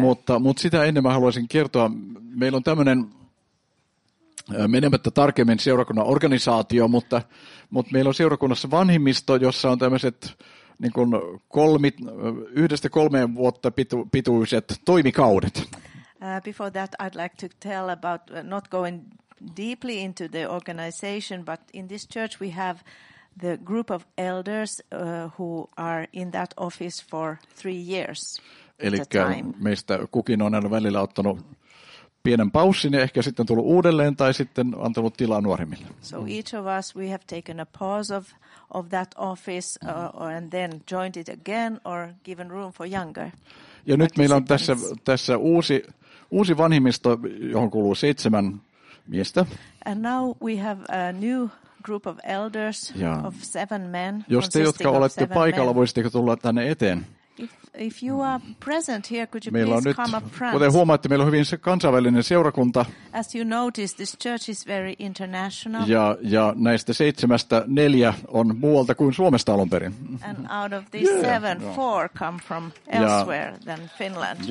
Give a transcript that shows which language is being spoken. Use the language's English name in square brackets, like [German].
[Finnish] Mutta sitä ennen mä haluaisin kertoa, meillä on tämmöinen menemättä tarkemmin seurakunnan organisaatio, mutta meillä on seurakunnassa vanhimmisto, jossa on tämmöiset niin kuin yhdestä kolmeen vuotta pituiset toimikaudet. [English] Before that I'd like to tell about not going deeply into the organization, but in this church we have the group of elders who are in that office for 3 years. [Finnish] Eli meistä kukin on aina välillä ottanut pienen paussin ja ehkä sitten tullut uudelleen tai sitten antanut tilaa nuoremmille. [English] So each of us we have taken a pause of that office and then joined it again or given room for younger. [Finnish] Ja nyt meillä on tässä uusi vanhimmisto, johon kuuluu 7 miestä. [English] And now we have a new group of elders of 7 men. [Finnish] Jos te, jotka olette paikalla, voisitteko tulla tänne eteen? [English] If you are present here, could you meillä please [Finnish] nyt, [English] come up front? [Finnish] Kuten huomaatte, meillä on hyvin kansainvälinen seurakunta. [English] As you notice, this church is very international. [Finnish] Ja näistä 7 on muualta kuin Suomesta alun perin. [English] And out of these 7, 4 come from elsewhere than Finland.